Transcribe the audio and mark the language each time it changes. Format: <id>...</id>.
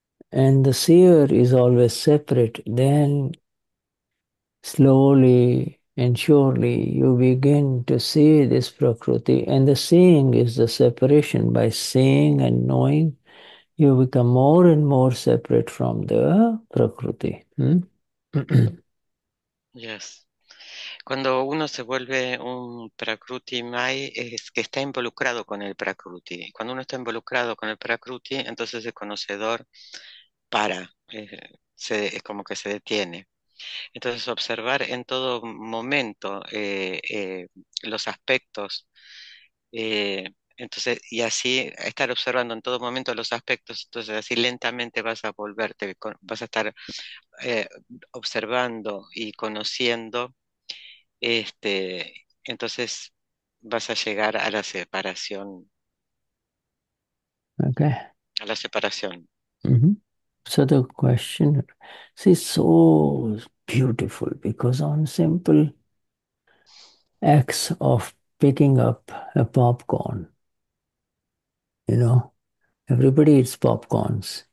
<en>And the seer is always separate. Then, slowly and surely, you begin to see this Prakruti. And the seeing is the separation. By seeing and knowing, you become more and more separate from the Prakruti. Yes.</en> <es>Cuando uno se vuelve un Prakruti Mai, es que está involucrado con el Prakruti. Cuando uno está involucrado con el Prakruti, entonces el conocedor para, es como que se detiene. Entonces, observar en todo momento los aspectos, entonces, y así estar observando en todo momento los aspectos, entonces así lentamente vas a volverte, vas a estar observando y conociendo, entonces vas a llegar a la separación,</es> <en>Okay.</en> <es>a la separación.</es> <en>So the question is so beautiful because on simple acts of picking up a popcorn, everybody eats popcorns.</en>